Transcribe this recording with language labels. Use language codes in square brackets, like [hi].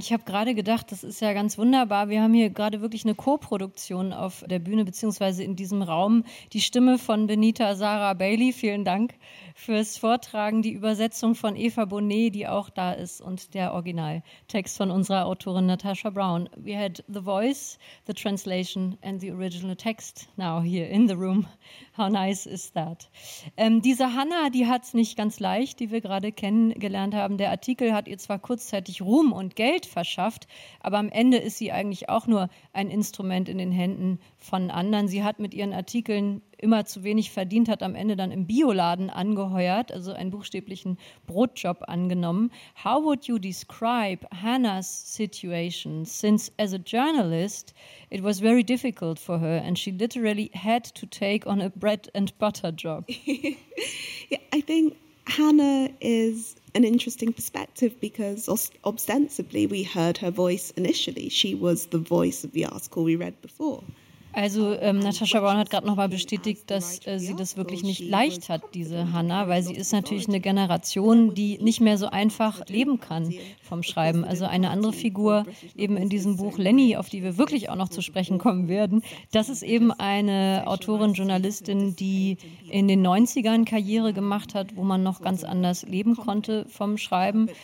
[de] Ich habe gerade gedacht, das ist ja ganz wunderbar. Wir haben hier gerade wirklich eine Co-Produktion auf der Bühne beziehungsweise in diesem Raum. Die Stimme von Benita Sarah Bailey, vielen Dank fürs Vortragen. Die Übersetzung von Eva Bonnet, die auch da ist, und der Originaltext von unserer Autorin Natasha Brown. [en] We had the voice, the translation and the original text now here in the room. How nice is that? [de] Diese Hannah, die hat es nicht ganz leicht, die wir gerade kennengelernt haben. Der Artikel hat ihr zwar kurzzeitig Ruhm und Geld verschafft, aber am Ende ist sie eigentlich auch nur ein Instrument in den Händen von anderen. Sie hat mit ihren Artikeln immer zu wenig verdient, hat am Ende dann im Bioladen angeheuert, also einen buchstäblichen Brotjob angenommen. [en] How would you describe Hannah's situation? Since as a journalist, it was very difficult for her and she literally had to take on a bread and butter job. Yeah, I think Hannah is an interesting perspective because ostensibly we heard her voice initially. She was the voice of the article we read before. [de] Also Natasha Brown hat gerade noch mal bestätigt, dass sie das wirklich nicht leicht hat, diese Hannah, weil sie ist natürlich eine Generation, die nicht mehr so einfach leben kann vom Schreiben. Also eine andere Figur eben in diesem Buch, Lenny, auf die wir wirklich auch noch zu sprechen kommen werden, das ist eben eine Autorin, Journalistin, die in den 90ern Karriere gemacht hat, wo man noch ganz anders leben konnte vom Schreiben.